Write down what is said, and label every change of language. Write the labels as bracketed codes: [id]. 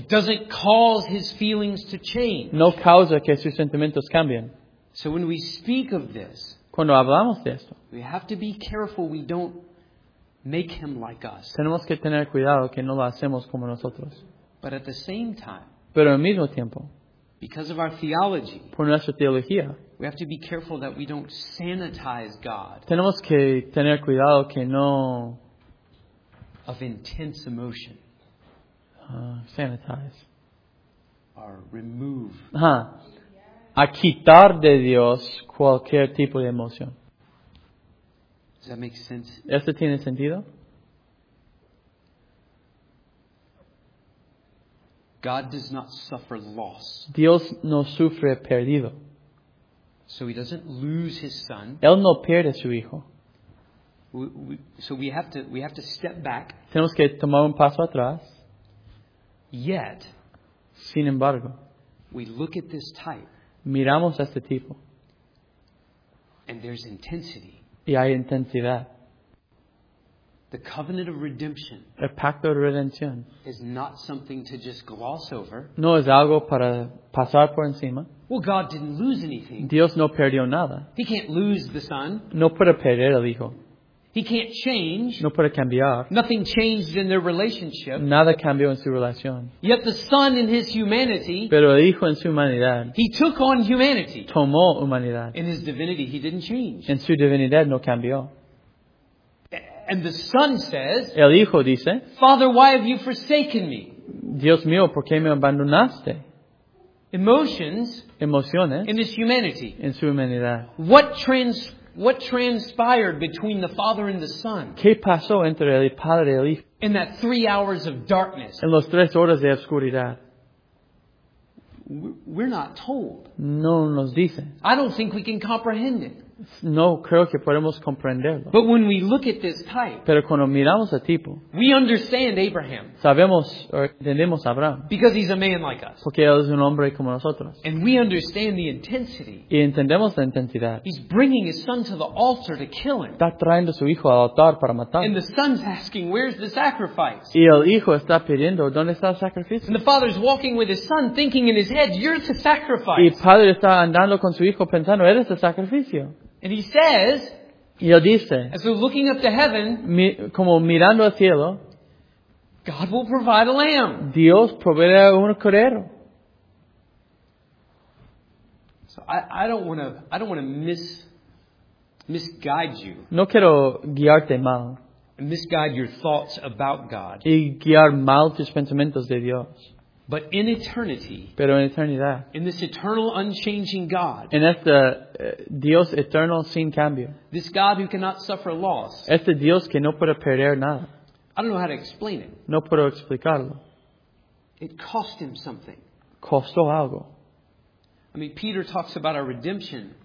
[en] It doesn't cause his feelings to change. [es] No causa que sus sentimientos cambien. [en] So when we speak of this, [es] cuando hablamos de esto, [en] we have to be careful we don't make him like us. [es] Tenemos que tener cuidado que no lo hacemos como nosotros. [en] But at the same time, [es] pero al mismo tiempo, [en] because of our theology, [es] por nuestra teología, [en] we have to be careful that we don't sanitize God. [es] Tenemos que tener cuidado que no [en] of intense emotion. Sanitize. Or remove. [es] A quitar de Dios cualquier tipo de emoción. [en] Does that make sense? [es] ¿Esto tiene sentido? [en] God does not suffer loss. [es] Dios no sufre perdido. [en] So he doesn't lose his son. [es] Él no pierde su hijo. [en] We have to step back. [es] Tenemos que tomar un paso atrás. [en] Yet, [es] sin embargo, [en] we look at this type. [es] Miramos a este tipo. [en] And there's intensity. [es] Y hay intensidad. [en] The covenant of redemption, [es] el pacto de redención, [en] is not something to just gloss over. [es] No es algo para pasar por encima. [en] Well, God didn't lose anything. [es] Dios no perdió nada. [en] He can't lose the son. [es] No puede perder el hijo. [en] He can't change. [es] No puede cambiar. [en] Nothing changed in their relationship. [es] Nada cambió en su relación. [en] Yet the son in his humanity, [es] pero el hijo en su humanidad, [en] he took on humanity. [es] Tomó humanidad. [en] In his divinity, he didn't change. [es] En su divinidad no cambió. [en] And the son says, [es] el hijo dice, [en] Father, why have you forsaken me? [es] Dios mío, ¿por qué me abandonaste? [en] emotions in this humanity. [es] En su humanidad. [en] What transpired between the Father and the Son? [es] ¿Qué pasó entre el Padre y el Hijo? [en] In that 3 hours of darkness. [es] En los 3 horas de oscuridad. [en] We're not told. [es] No nos dicen. [en] I don't think we can comprehend it. [es] No creo que podemos comprenderlo. [en] But when we look at this type, [es] pero cuando miramos a tipo, [en] we understand Abraham. [es] Sabemos o entendemos a Abraham. [en] Because he's a man like us. [es] Porque él es un hombre como nosotros. [en] And we understand the intensity. [es] Y entendemos la intensidad. [en] He's bringing his son to the altar to kill him. [es] Está trayendo su hijo al altar para matarlo. [en] And the son's asking, "Where's the sacrifice?" [es] Y el hijo está pidiendo, ¿dónde está el sacrificio? [en] And the father's walking with his son, thinking in his head, "You're the sacrifice." [es] Y el padre está andando con su hijo pensando, eres el sacrificio. [en] And he says, [es] y él dice, [en] as we're looking up to heaven, [es] como mirando al cielo, [en] God will provide a lamb. [es] Dios proveerá un cordero. [en] So I don't want to misguide you. [es] No quiero guiarte mal. [en] And misguide your thoughts about God. [es] Y guiar mal tus pensamientos de Dios. [en] But in eternity, [es] pero en eternidad, [en] in this eternal, unchanging God, [es] en este Dios eterno sin cambio, [en] this God who cannot suffer loss, [es] este Dios que no puede perder nada, [en] I don't know how to explain it. [es] No puedo explicarlo. [en] It cost him something. [es] Costó algo. [en] I mean, Peter talks about our redemption.